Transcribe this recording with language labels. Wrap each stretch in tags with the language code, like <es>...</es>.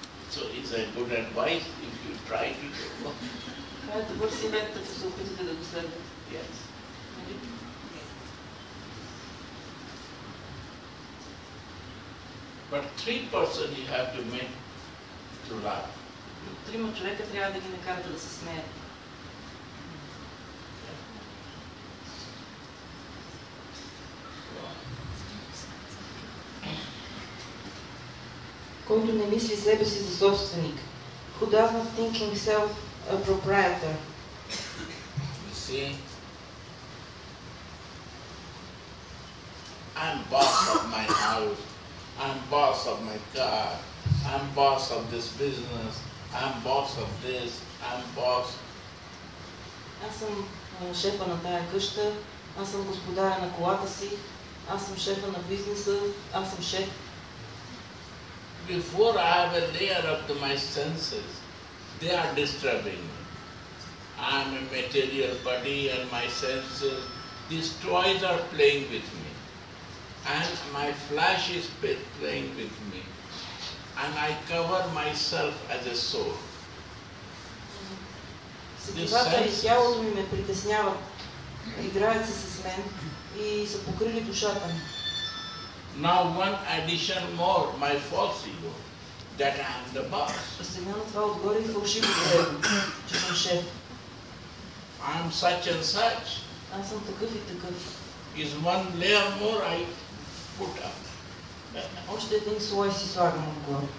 <en>So it's a good advice if you try to do it.</en> <bg>Добър съвет, ако се опитате да го следвате.</bg> <en>Yes. But three person you have to make to love.</en> <bg>Трима човека трябва да ги накарате да се смеят. Който не мисли себе си за собственик.</bg> <en>Who does not think himself a proprietor. You see, I'm boss of my house, I'm boss of my car, I'm boss of this business, I'm boss of this, I'm boss.</en> <bg>Аз съм шефа на тая къща, аз съм господаря на колата си, аз съм шефа на бизнеса, аз съм шеф.</bg> <en>Before I have a layer up to my senses, they are disturbing me. I am a material body and my senses, these toys are playing with me. And my flesh is playing with me. And I cover myself as a soul.</en> <bg>Сетивата и тялото ми ме притесняват. Играят се с мен и са покрили душата ми.</bg> <en>Now one addition more, my false ego, that I am the boss.</en> <bg>Сега на това отгоре и фалшивото ego, че съм шеф.</bg> <en>I am such and such.</en> <bg>Аз съм такъв и такъв.</bg> <en>Is one layer more I put up.</en> <bg>Още един слой си слагам отгоре.</bg>